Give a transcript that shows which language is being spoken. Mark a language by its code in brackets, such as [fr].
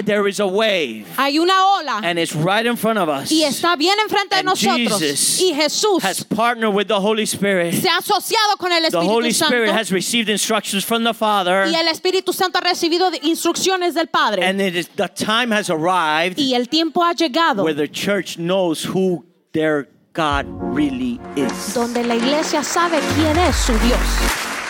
[en] There is a wave. [es] Hay una ola. [en] And it's right in front of us. [es] Y está bien enfrente [en] and [es] de nosotros. [en] Jesus [es] y Jesús [en] has partnered with the Holy Spirit. [es] Se ha asociado con el Espíritu [en] the Holy [es] Santo. [en] Spirit has received instructions from the Father. [es] Y el Espíritu Santo ha recibido instrucciones del Padre. [en] And it is, the time has arrived. [es] Y el tiempo ha llegado. [en] Where the church knows who their God really is. [es] Donde la iglesia sabe quién es su Dios.